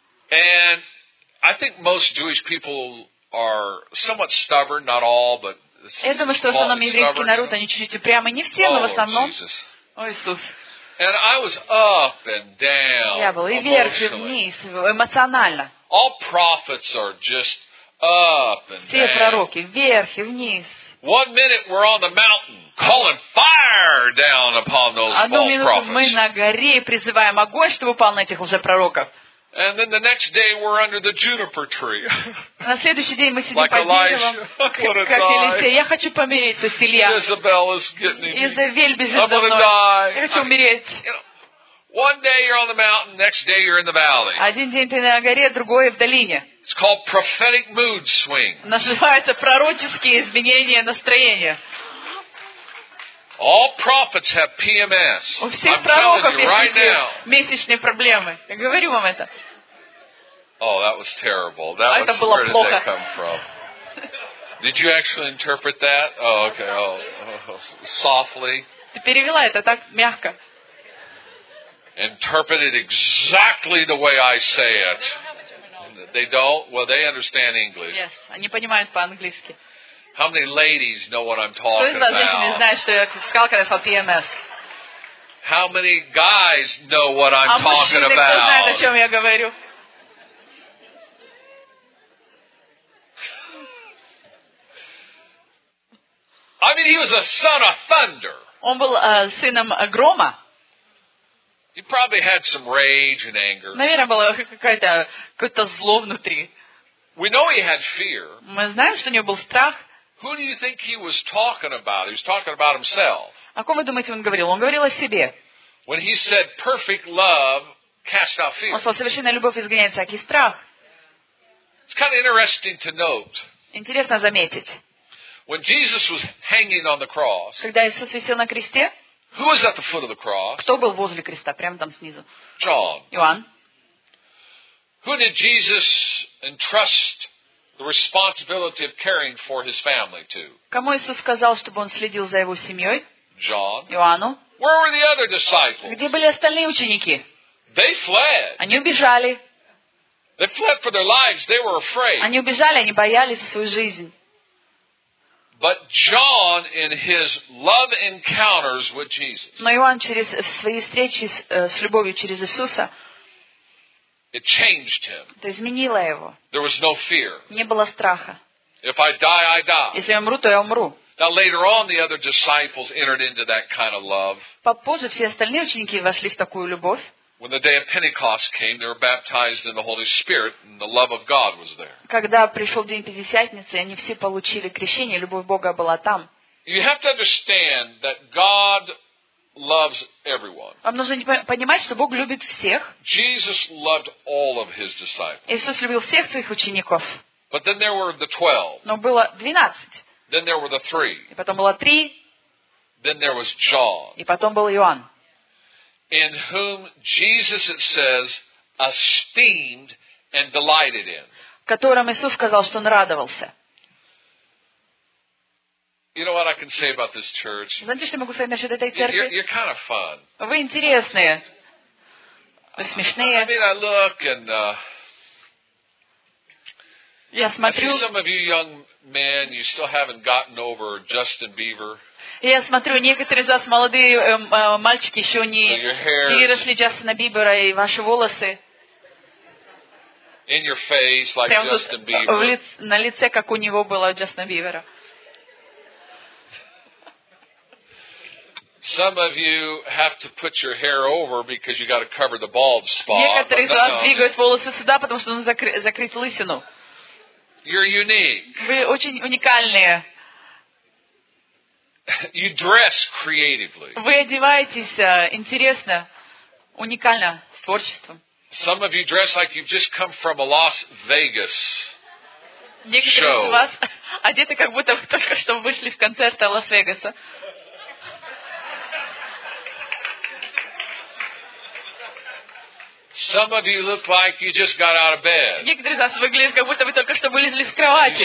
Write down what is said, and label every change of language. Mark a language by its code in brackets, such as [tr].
[en] And I think most Jewish people are somewhat stubborn, not all, but [ru] я думаю, что в основном еврейский народ, они чуть-чуть упрямы, не все, но в основном. О, Иисус. [en] And I was up and down. [ru] Я был и вверх, и вниз, эмоционально. [en] All prophets are just up and down. [ru] Все пророки вверх и вниз. [en] One minute we're on the mountain calling fire down upon those false prophets. [ru] Одну минуту мы на горе призываем огонь, чтобы упал на этих лжепророков. [en] And then the next day we're under the juniper tree. [ru] На следующий день мы сидим под деревом, как Елисей. Я хочу помириться с Илья. Изабель без Изабелла. Я хочу умереть. [en] One day you're on the mountain, next day you're in the valley. [ru] Один день ты на горе, другой в долине. [en] It's called prophetic mood swing. [ru] Называется пророческие изменения настроения. [en] All prophets have PMS. [ru] У всех пророков есть месячные проблемы. Я говорю вам это. [en] Oh, that was terrible. That was, where [ru] плохо. [en] Did that come from? Did you actually interpret that? Oh, okay. Oh, softly. [ru] Ты перевела это так мягко. [en] Interpret it exactly the way I say it. They don't? Well, they understand English. Yes, [ru] они понимают по-английски. [en] How many ladies know what I'm talking about? How many guys know what I'm talking about? I mean, he was a son of thunder. [ru] Он был сыном грома. [en] He probably had some rage and anger. [ru] Наверное, было какое-то зло внутри. [en] We know he had fear. [ru] Мы знаем, что у него был страх. [en] Who do you think he was talking about? He was talking about himself. [ru] О ком вы думаете, он говорил? Он говорил о себе. [en] When he said, "Perfect love casts out fear." [ru] Он сказал, совершенная любовь изгоняет всякий страх. [en] It's kind of interesting to note. [ru] Интересно заметить. [en] When Jesus was hanging on the cross, [ru] когда Иисус висел на кресте, [en] who was at the foot of the cross? [ru] Кто был возле креста, прямо там снизу? [en] John. [ru] Иоанн. [en] Who did Jesus entrust the responsibility of caring for his family to? [ru] Кому Иисус сказал, чтобы он следил за его семьей? [en] John. [ru] Иоанну. [en] Where were the other disciples? [ru] Где были остальные ученики? [en] They fled. [ru] Они убежали. [en] They fled for their lives. They were afraid. [ru] Они убежали, они боялись за свою жизнь. [en] But John, in his love encounters with Jesus, [ru] но Иоанн через свои встречи с любовью через Иисуса, [en] it changed him. [ru] Это изменило его. [en] There was no fear. [ru] Не было страха. [en] If I die, I die. [ru] Если я умру, то я умру. [en] Now later on, the other disciples entered into that kind of love. [ru] Попозже все остальные ученики вошли в такую любовь. [en] When the day of Pentecost came, they were baptized in the Holy Spirit, and the love of God was there. [ru] Когда пришел день Пятидесятницы, они все получили крещение, любовь Бога была там. [en] You have to understand that God loves everyone. [ru] Вам нужно понимать, что Бог любит всех. [en] Jesus loved all of his disciples. [ru] Иисус любил всех своих учеников. [en] But then there were the 12. [ru] Но было 12. [en] Then there were the 3. [ru] И потом было 3. [en] Then there was John. [ru] И потом был Иоанн. [en] In whom Jesus, it says, esteemed and delighted in. [ru] Которым Иисус сказал, что он радовался. [en] You know what I can say about this church? [ru] Знаете, что я могу сказать насчет этой церкви? [en] You're kind of fun. [ru] Вы интересные. Вы смешные. [en] I mean, I look and [ru] я смотрю. [en] I see some of you young men, you still haven't gotten over Justin Bieber. [ru] Я смотрю, некоторые из вас молодые мальчики еще не переросли Джастина Бибера, и ваши волосы [en] in your face, like [ru] прямо [en] Justin Bieber. [ru] На лице, как у него было Джастина Бибера. [en] Some of you have to put your hair over because you got to cover the bald spot. [ru] Некоторые из вас двигают волосы сюда, потому что нужно закрыть лысину. [en] You're unique. [ru] Вы очень уникальные. [en] You dress creatively. [ru] Вы одеваетесь интересно, уникально, с творчеством. [en] Some of you dress like you've just come from a Las Vegas show. [ru] Некоторые из вас одеты, как будто вы только что вышли с концерта Лас-Вегаса. [en] Some of you look like you just got out of bed. [ru] Некоторые из вас выглядят, как будто вы только что вылезли с кровати.